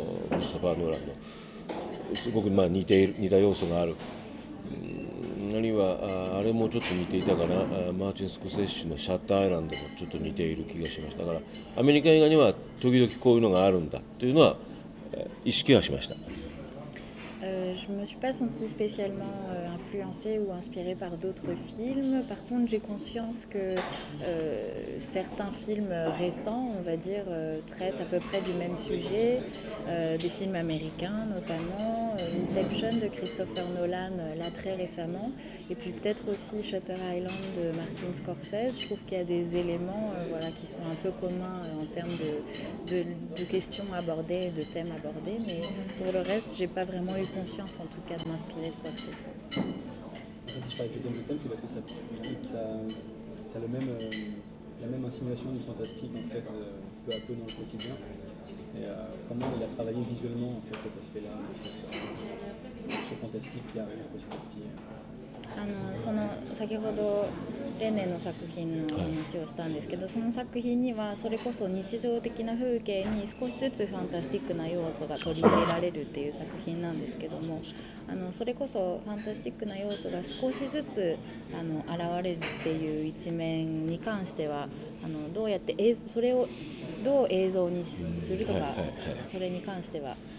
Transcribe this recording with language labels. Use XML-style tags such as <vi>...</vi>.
<ja>クリストファー・ノーランのすごく似た要素がある、あるいはあれもちょっと似ていたかな、マーチン・スコセッシのシャッターアイランドもちょっと似ている気がしました。だからアメリカ映画には時々こういうのがあるんだというのは意識はしました。</ja> <fr>Je me suis pas sentie spécialement influencée ou inspirée par d'autres films. Par contre, j'ai conscience que certains films récents, on va dire, traitent à peu près du même sujet. Des films américains, notamment Inception de Christopher Nolan, là très récemment. Et puis peut-être aussi Shutter Island de Martin Scorsese. Je trouve qu'il y a des éléments qui sont un peu communs en termes de questions abordées, de thèmes abordés. Mais pour le reste, j'ai pas vraiment eu conscience en tout cas de m'inspirer de quoi que ce soit. En fait, si je parle de thème, c'est parce que ça a la même insinuation du fantastique en fait, peu à peu dans le quotidien. Et comment il a travaillé visuellement en fait cet aspect-là, ce fantastique qui arrive petit à petit.</fr> <ja>その先ほど例年の作品に使用したんですけど、その作品にはそれこそ日常的な風景に少しずつファンタスティックな要素が取り入れられるっていう作品なんですけども、それこそファンタスティックな要素が少しずつ現れるっていう一面に関しては、どうやってそれをどう映像にするとか、それに関しては、</ja>